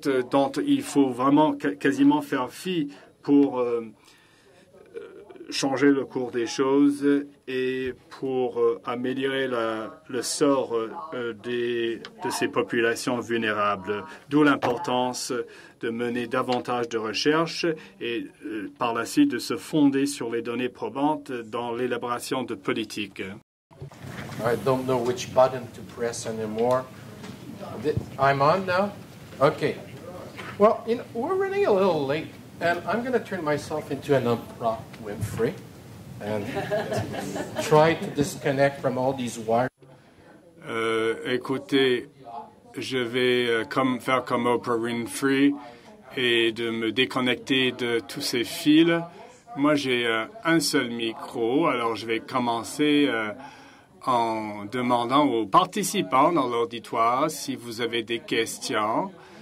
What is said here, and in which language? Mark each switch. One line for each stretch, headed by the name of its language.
French: dont il faut vraiment quasiment faire fi pour changer le cours des choses et pour améliorer le sort de ces populations vulnérables. D'où l'importance de mener davantage de recherches et par la suite de se fonder sur les données probantes dans l'élaboration de politiques.
English: I don't know which button to press anymore. I'm on now? Okay. Well, we're running a little late. And I'm going to turn myself into an Oprah Winfrey and try to disconnect from all these wires.
French: Écoutez, je vais faire comme Oprah Winfrey et de me déconnecter de tous ces fils. Moi, j'ai un seul micro, alors je vais commencer en demandant aux participants dans l'auditoire si vous avez des questions.